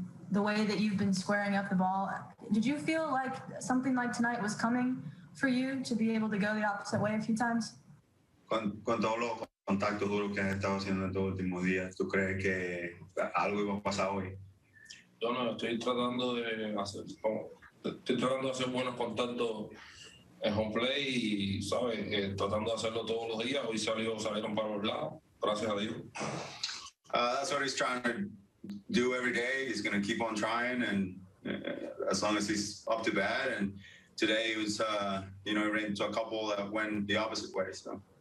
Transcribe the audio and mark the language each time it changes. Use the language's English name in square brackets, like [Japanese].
[English] the way that you've been squaring up the ball, did you feel like something like tonight was coming for you to be able to go the opposite way a few times? [Spanish] Cuando hablo con contacto duro que has estado haciendo en estos últimos días, ¿tú crees que algo iba a pasar hoy? Yo no, estoy tratando de hacer buenos contactos en home play y, ¿sabes? Tratando de hacerlo todos los días. Hoy salieron para los lados, gracias a Dios. [English] That's what he's trying to do every day. He's going to keep on trying, and as long as he's up to bat. And today he was, he ran into a couple that went the opposite way, so.